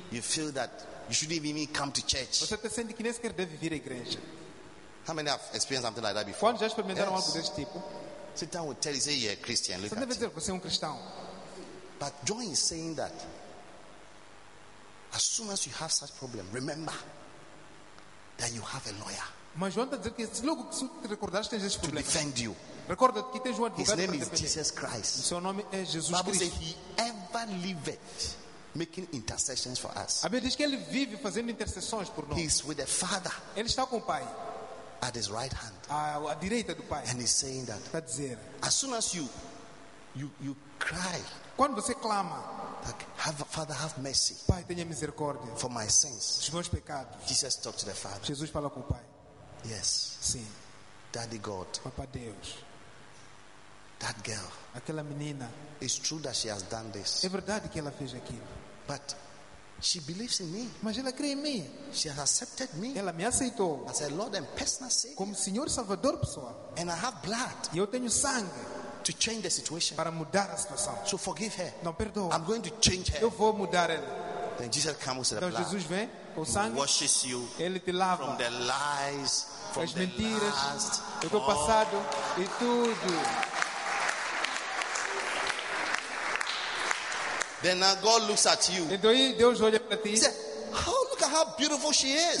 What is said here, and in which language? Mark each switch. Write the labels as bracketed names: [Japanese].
[English] You feel that you shouldn't even come to church. [Portuguese] Você até sente que nem sequer deve vir à igreja. [English] How many have experienced something like that before? [Portuguese] Quantos já experimentaram algo desse tipo? [English] Satan will tell you, say you're a Christian. Look at [Portuguese] you. Você é um cristão. [English] But John is saying that as soon as you have such problem, remember that you have a lawyer. [Portuguese] Mas João está dizendo que logo que você te recordaste tens esse problema. [English] To defend you. [Portuguese] Recorda que tens um advogado. [English] His name is Jesus Christ. [Portuguese] O seu nome é Jesus Cristo. [English] Bible says he ever liveth making intercessions for us. [Portuguese] A Bíblia diz que ele vive fazendo intercessões por nós. [English] He's with the Father. [Portuguese] Ele está com o Pai. [English] At his right hand. [Portuguese] À direita do Pai. [English] And he's saying that. [Portuguese] Está dizendo. [English] As soon as you cry. [Portuguese] Quando você clama. [English] Father, have mercy. [Portuguese] Pai, tenha misericórdia. [English] For my sins. [Portuguese] Os meus pecados. [English] Jesus talked to the Father. [Portuguese] Jesus fala com o Pai. [English] Yes. [Portuguese] Sim. [English] Daddy God. [Portuguese] Papai Deus. [English] That girl. [Portuguese] Aquela menina. [English] It's true that she has done this. [Portuguese] É verdade que ela fez aquilo. [English] But she believes in me. [Portuguese] Mas ela crê em mim. [English] She has accepted me. [Portuguese] Ela me aceitou. [English] As a Lord and personal Savior. [Portuguese] Como Senhor Salvador pessoal. [English] And I have blood. [Portuguese] E eu tenho sangue. [English] To change the situation. [Portuguese] Para mudar a situação. [English] So forgive her. [Portuguese] Não, perdoa. [English] I'm going to change her. [Portuguese] Eu vou mudar ela. [English] Then Jesus comes with [Portuguese] então Jesus vem com sangue. [English] He washes you. [Portuguese] Ele te lava. [English] From the lies, from [Portuguese] as mentiras, do teu passado e tudo. [English] Then now God looks at you. [Portuguese] Então Deus olha para ti. [English] He said, oh, look at how beautiful she is.